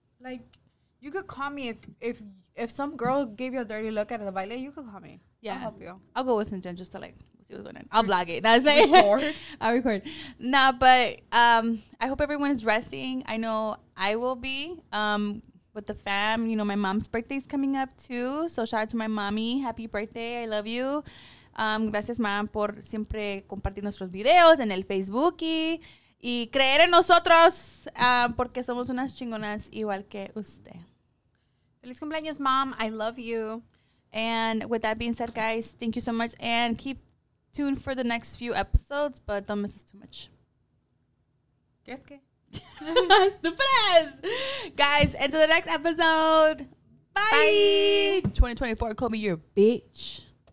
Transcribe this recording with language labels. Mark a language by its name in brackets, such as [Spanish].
[English] Like, you could call me if some girl gave you a dirty look at the baile, you could call me. Yeah. I'll help you. I'll go with Cynthia just to, like, see what's going on. I'll vlog it. That's like, I'll record. Nah, but I hope everyone is resting. I know I will be. with the fam. You know, my mom's birthday's coming up too. So shout out to my mommy. Happy birthday. I love you. [Spanish] Gracias, mom, por siempre compartir nuestros videos en el Facebook y creer en nosotros porque somos unas chingonas igual que usted. Feliz cumpleaños, mom. [English] I love you. And with that being said, guys, thank you so much. And keep tuned for the next few episodes, but don't miss us too much. [Spanish] ¿Qué es qué? Stupidas! [English] Guys, until the next episode. Bye! 2024, call me your bitch.